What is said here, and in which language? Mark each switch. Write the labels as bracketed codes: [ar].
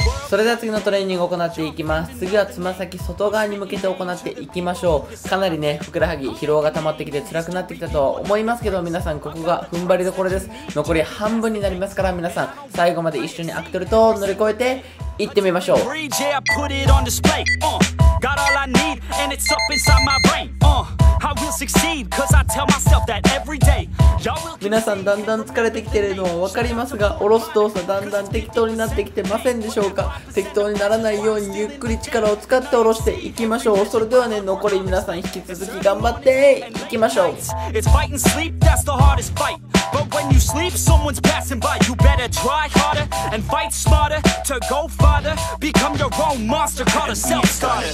[ja] それでは次のトレーニングを行っていきます。次はつま先外側に向けて行っていきましょう。かなりね、ふくらはぎ疲労が溜まってきて辛くなってきたとは思いますけど、皆さんここが踏ん張りどころです。残り半分になりますから、皆さん最後まで一緒にアクトルと乗り越えていってみましょう。 [en] 3J I put it on display、Got all I need and it's up inside my brain、I will succeed cause I tell myself that every day。 [ja] 皆さんだんだん疲れてきてるのは分かりますが、下ろす動作だんだん適当になってきてませんでしょうか。適当にならないようにゆっくり力を使って下ろしていきましょう。それではね、残り皆さん引き続き頑張っていきましょう。 [en] It's fight and sleep, that's the hardest fight. But when you sleep, someone's passing by. You better try harder and fight smarter to go farther. Become your own monster called a self-starter.